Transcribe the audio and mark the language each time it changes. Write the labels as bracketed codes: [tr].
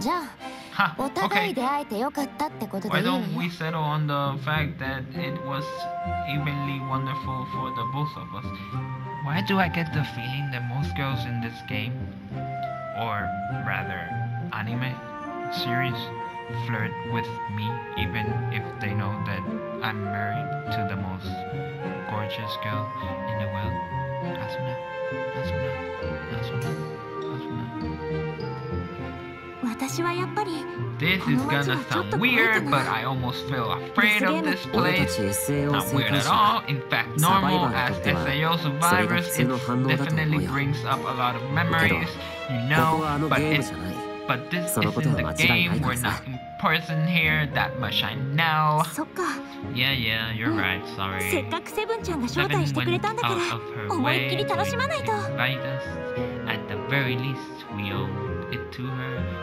[ja] じゃあ、お互い出会えてよかったってことでいい。 [en] Why don't we settle on the fact that it was evenly wonderful for the both of us? Why do I get the feeling that most girls in this game, or rather anime series, flirt with me even if they know that I'm married to the most gorgeous girl in the world? Asuna, Asuna, Asuna. [ja] 私はやっぱり [en] This is gonna sound weird, but I almost feel afraid of this place. Not weird at all. In fact, normal as SAO survivors, it definitely brings up a lot of memories, you know. But this isn't the game. We're not in person here that much. I know. Yeah, yeah, you're right. Sorry. [ja] せっかくセブンちゃんが招待してくれたんだから、思いっきり楽しまないと。 [en] Invite us. At the very least, we owe it to her.